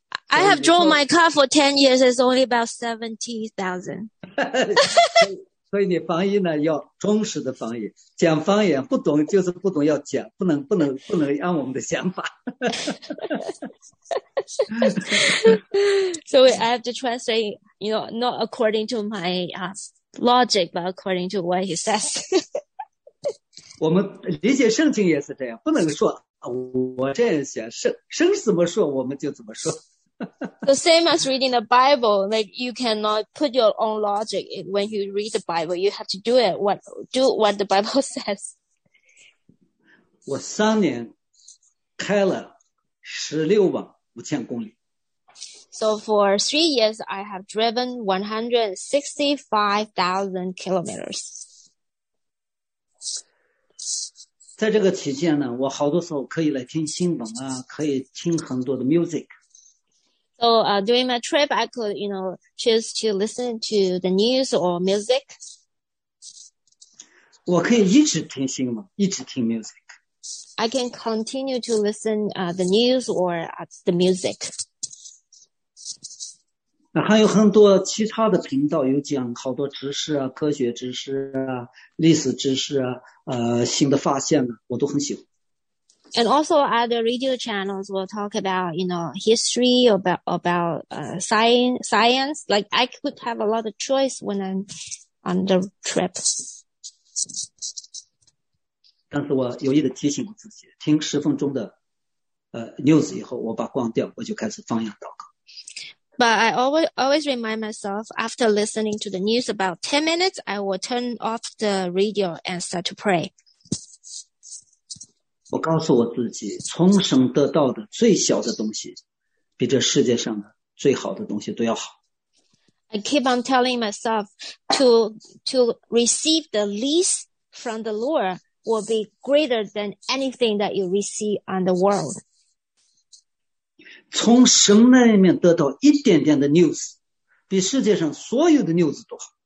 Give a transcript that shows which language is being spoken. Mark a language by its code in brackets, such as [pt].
[en] I have drove my car for 10 years it's only about 70,000 [zh] 所以你方言呢要忠实的方言讲方言不懂就是不懂要讲不能按我们的想法。 [en] So I have to translate, you know, not according to my logic, but according to what he says. [zh] 我们理解圣经也是这样不能说我这样想圣怎么说我们就怎么说。 [en] The same as reading the Bible, like you cannot put your own logic when you read the Bible. You have to do what the Bible says. [zh] 我三年开了165,000公里。 [en] So for 3 years, I have driven 165,000 kilometers. [zh] 在这个期间呢，我好多时候可以来听新闻啊，可以听很多的 music。 [en] So during my trip, I could, you know, choose to listen to the news or music. [zh] 我可以一直听新闻，一直听 music. [en] I can continue to listen the news or the music. [zh] 那还有很多其他的频道有讲好多知识啊，科学知识啊，历史知识啊，新的发现啊，我都很喜欢。 [en] And also other radio channels will talk about, you know, history, about science. Like, I could have a lot of choice when I'm on the trip. [zh] 但是我有意地提醒我自己，听十分钟的news 以后，我把关掉，我就开始方言祷告。 [en] But I always remind myself, after listening to the news about 10 minutes, I will turn off the radio and start to pray. [zh] 我告诉我自己，从神得到的最小的东西，比这世界上的最好的东西都要好。 [en] I keep on telling myself to receive the least from the Lord will be greater than anything that you receive on the world. [zh] 从神那里面得到一点点的 news， 比世界上所有的 news 都好。